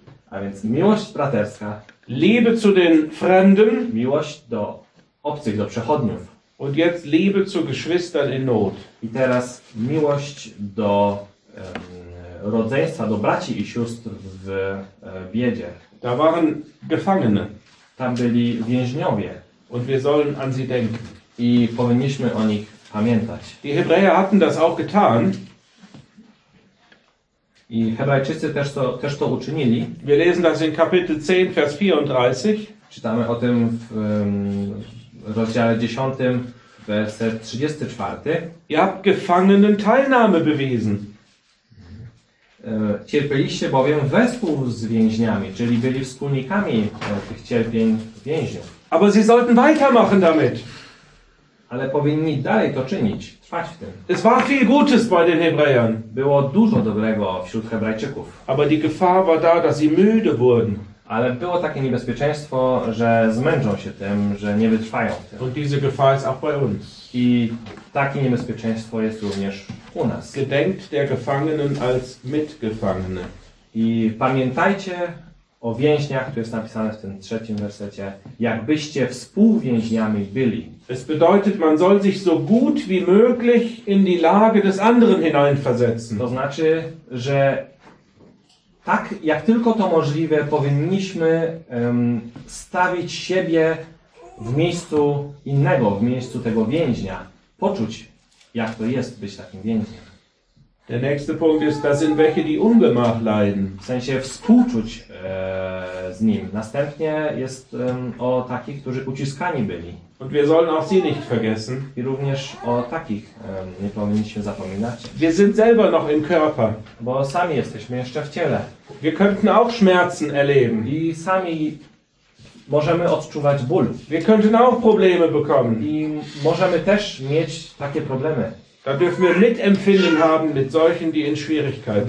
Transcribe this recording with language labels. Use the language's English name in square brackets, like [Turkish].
[Polish] A więc miłość braterska. [German] Liebe zu den Fremden. [Polish] Miłość do obcych, do przechodniów. [German] Und jetzt Liebe zu Geschwistern in Not. [Polish] I teraz miłość do rodzeństwa, do braci i sióstr w biedzie. [German] Da waren Gefangene. [Polish] Tam byli więźniowie. [German] Und wir sollen an sie denken. [Polish] I powinniśmy o nich pamiętać. [German] Die Hebräer hatten das auch getan. [Polish] I Hebrajczycy też to uczynili. [German] Wir lesen das in Kapitel 10, Vers 34. [Polish] Czytamy o tym w rozdziale 10, werset 34. [German] Ihr habt Gefangenen Teilnahme bewiesen. [Polish] Cierpieliście bowiem wespół z więźniami, czyli byli wspólnikami tych cierpień więźniów. [German] Aber sie sollten weitermachen damit. [Polish] Ale powinni dalej to czynić, trwać w tym. [German] Es war viel Gutes bei den Hebräern. [Polish] Było dużo dobrego wśród Hebrajczyków. [German] Aber die Gefahr war da, dass sie müde wurden. [Polish] Ale było takie niebezpieczeństwo, że zmęczą się tym, że nie wytrwają w tym. [German] Und diese Gefahr ist auch bei uns. [Polish] I takie niebezpieczeństwo jest również u nas. [German] Gedenkt der Gefangenen als Mitgefangene. [Polish] I pamiętajcie o więźniach, to jest napisane w tym trzecim wersecie, jakbyście współwięźniami byli. [German] Es bedeutet, man soll sich so gut wie möglich in die Lage des anderen hineinversetzen. [Polish] To znaczy, że tak jak tylko to możliwe, powinniśmy stawić siebie w miejscu innego, w miejscu tego więźnia. Poczuć, jak to jest być takim więźniem. [German] Der nächste Punkt ist, das sind welche, die Ungemach leiden. [Polish] W sensie współczuć z nim. Następnie jest o takich, którzy uciskani byli. [German] Und wir sollen auch sie nicht vergessen. [Polish] I również o takich nie powinniśmy zapominać. [German] Wir sind selber noch im Körper. [Polish] Bo sami jesteśmy jeszcze w ciele. [German] Wir könnten auch Schmerzen erleben. [Polish] I sami możemy odczuwać ból. [German] Wir könnten auch Probleme bekommen. [Polish] I możemy też mieć takie problemy. [German] Da dürfen wir Mitempfinden haben mit solchen, die in Schwierigkeiten